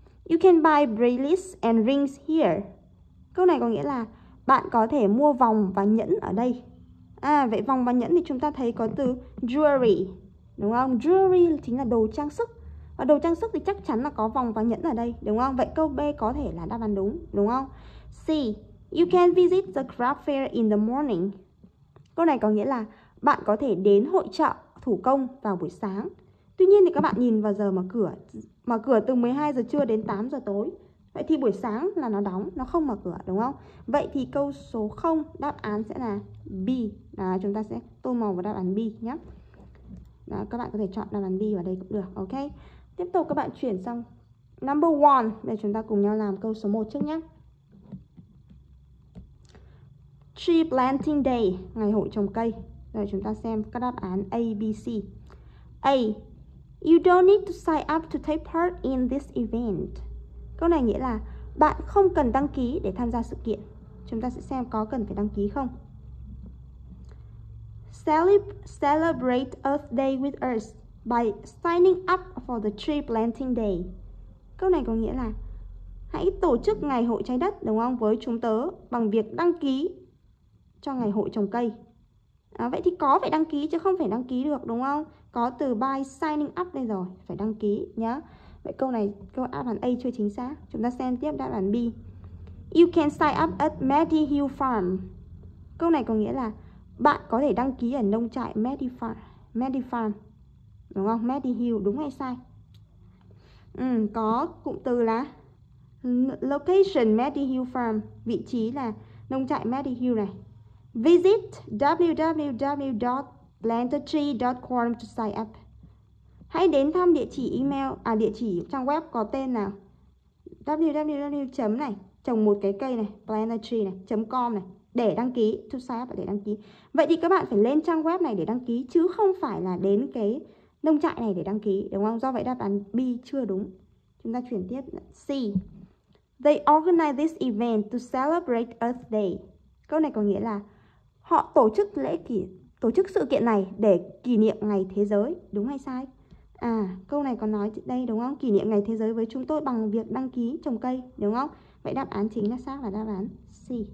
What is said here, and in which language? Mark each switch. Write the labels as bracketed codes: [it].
[en] You can buy bracelets and rings here. [vi] Câu này có nghĩa là bạn có thể mua vòng và nhẫn ở đây. À, vậy vòng và nhẫn thì chúng ta thấy có từ jewelry. Đúng không? Jewelry chính là đồ trang sức. Và đồ trang sức thì chắc chắn là có vòng và nhẫn ở đây, đúng không? Vậy câu B có thể là đáp án đúng, đúng không? C. [en] You can visit the craft fair in the morning. [vi] Câu này có nghĩa là bạn có thể đến hội chợ thủ công vào buổi sáng. Tuy nhiên thì các bạn nhìn vào giờ mở cửa từ 12 giờ trưa đến 8 giờ tối. Vậy thì buổi sáng là nó đóng, nó không mở cửa, đúng không? Vậy thì câu số 0 đáp án sẽ là B. Đó, chúng ta sẽ tô màu vào đáp án B nhé. Đó, các bạn có thể chọn đáp án B vào đây cũng được, ok? Tiếp tục các bạn chuyển sang number 1 để chúng ta cùng nhau làm câu số 1 trước nhé. [en] Tree planting day, [vi] ngày hội trồng cây. Rồi chúng ta xem các đáp án A, B, C. A. [en] You don't need to sign up to take part in this event. [vi] Câu này nghĩa là bạn không cần đăng ký để tham gia sự kiện. Chúng ta sẽ xem có cần phải đăng ký không. [en] Celebrate Earth Day with us by signing up for the tree planting day. [vi] Câu này có nghĩa là hãy tổ chức ngày hội trái đất, đúng không, với chúng tớ bằng việc đăng ký cho ngày hội trồng cây. À, vậy thì có phải đăng ký chứ không phải đăng ký được, đúng không? Có từ [en] by signing up [vi] đây rồi, phải đăng ký nhá. Vậy câu này, câu đáp án A chưa chính xác. Chúng ta xem tiếp đáp án B. [en] You can sign up at Maddie Hill Farm. [vi] Câu này có nghĩa là bạn có thể đăng ký ở nông trại Maddie Farm. Đúng không? Maddie Hill, đúng hay sai? Có cụm từ là location Maddie Hill Farm. Vị trí là nông trại Maddie Hill này. [en] Visit www.plantatree.com to sign up. [vi] Hãy đến thăm địa chỉ email, à địa chỉ trang web có tên là www. này, trồng một cái cây này, plantatree này, .com này, để đăng ký, [en] to sign up [vi] để đăng ký. Vậy thì các bạn phải lên trang web này để đăng ký, chứ không phải là đến cái nông trại này để đăng ký, đúng không? Do vậy đáp án B chưa đúng. Chúng ta chuyển tiếp C. [en] They organize this event to celebrate Earth Day. [vi] Câu này có nghĩa là họ tổ chức tổ chức sự kiện này để kỷ niệm ngày thế giới, đúng hay sai? À, câu này có nói đây đúng không? Kỷ niệm ngày thế giới với chúng tôi bằng việc đăng ký trồng cây, đúng không? Vậy đáp án chính là xác là đáp án C.